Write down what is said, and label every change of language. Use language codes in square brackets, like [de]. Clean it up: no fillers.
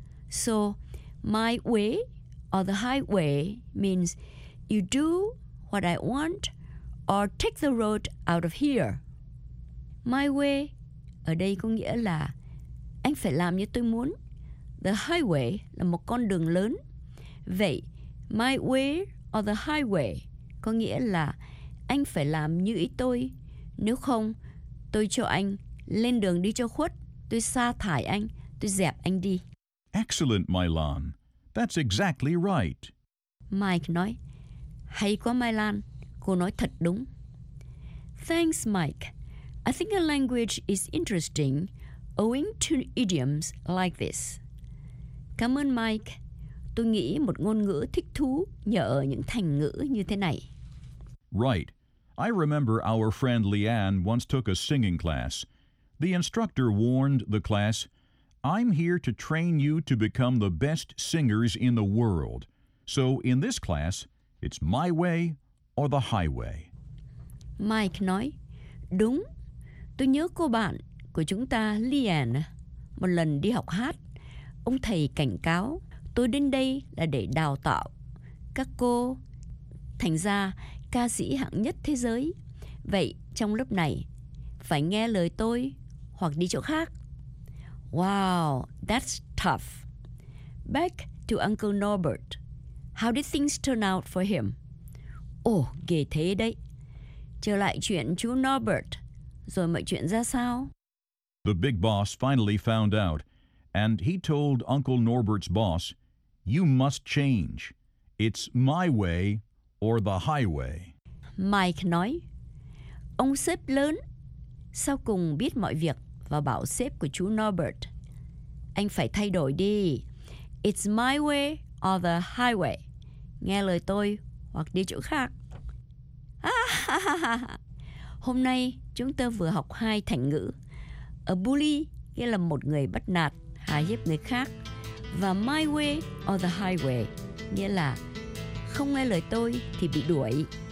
[en] So, my way or the highway means you do what I want or take the road out of here. [vi] My way ở đây có nghĩa là anh phải làm như tôi muốn. The highway là một con đường lớn. Vậy, [en] my way or the highway [vi] có nghĩa là anh phải làm như ý tôi. Nếu không, tôi cho anh lên đường đi cho khuất. Tôi sa thải anh. Tôi dẹp anh đi. [en] Excellent, Mylan. That's exactly right. [vi] Mike nói, hay quá, Mylan. Cô nói thật đúng. [en] Thanks, Mike. I think a language is interesting owing to idioms like this. [vi] Cảm ơn, Mike. Tôi nghĩ một ngôn ngữ thích thú nhờ những thành ngữ như thế này. [en] Right. I remember our friend Leanne once took a singing class. The instructor warned the class, I'm here to train you to become the best singers in the world. So in this class, it's my way or the highway. [vi] Mike nói, đúng. Tôi nhớ cô bạn của chúng ta, Leanne, một lần đi học hát. Ông thầy cảnh cáo, tôi đến đây là để đào tạo các cô thành ra ca sĩ hạng nhất thế giới. Vậy trong lớp này, phải nghe lời tôi hoặc đi chỗ khác. [en] Wow, that's tough. Back to Uncle Norbert. How did things turn out for him? [vi] Oh, ghê thế đấy. Trở lại chuyện chú Norbert. Rồi mọi chuyện ra sao? [en] The big boss finally found out, and he told Uncle Norbert's boss, you must change. It's my way or the highway. [vi] Mike nói, ông sếp lớn sau cùng biết mọi việc và bảo sếp của chú Norbert, anh phải thay đổi đi. [en] It's my way or the highway. [vi] Nghe lời tôi hoặc đi chỗ khác. Hôm nay chúng ta vừa học hai thành ngữ. A bully nghĩa là một người bắt nạt, hạ hiếp người khác. Và [en] my way or the highway [vi] nghĩa là không nghe lời tôi thì bị đuổi.